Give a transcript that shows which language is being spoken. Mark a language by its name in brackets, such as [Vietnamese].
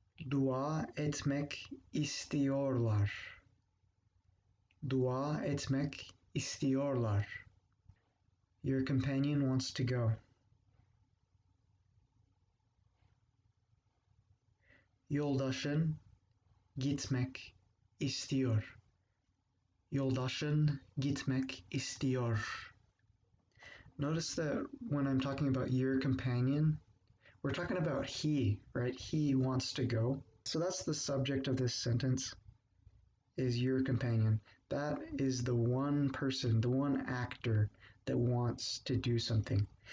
[Turkish] Dua etmek istiyorlar. Dua etmek istiyorlar. [English] Your companion wants to go. [Turkish] Yoldaşın gitmek istiyor. Yoldaşın gitmek istiyor. [English] Notice that when I'm talking about your companion, we're talking about he, right? He wants to go. So that's the subject of this sentence, is your companion. That is the one person, the one actor that wants to do something.